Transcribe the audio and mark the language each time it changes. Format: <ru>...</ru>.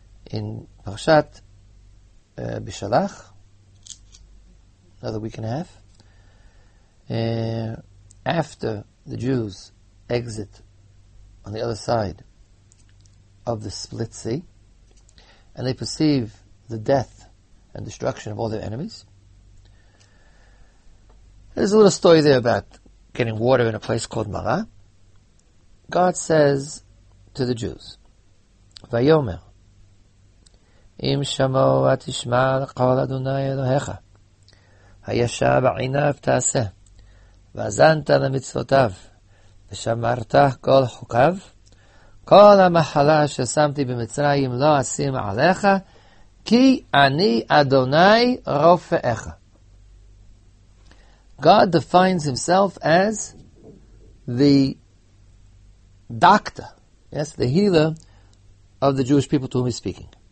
<en>In Parshat Bishalach, another week and a half, after the Jews exit on the other side of the split sea, and they perceive the death and destruction of all their enemies. There's a little story there about getting water in a place called Marah. God says to the Jews,</en> <he>Vayomer, אם שמעו ותשמע לכל אדוני אלוהיך, הישר בעיניו תעשה, ואזנת למצוותיו, ושמרת כל חוקיו, כל המחלה ששמתי במצרים לא אשים עליך, כי אני אדוני רופאיך.</he> <en>God defines himself as the doctor, yes, the healer of the Jewish people to whom he's speaking.</en>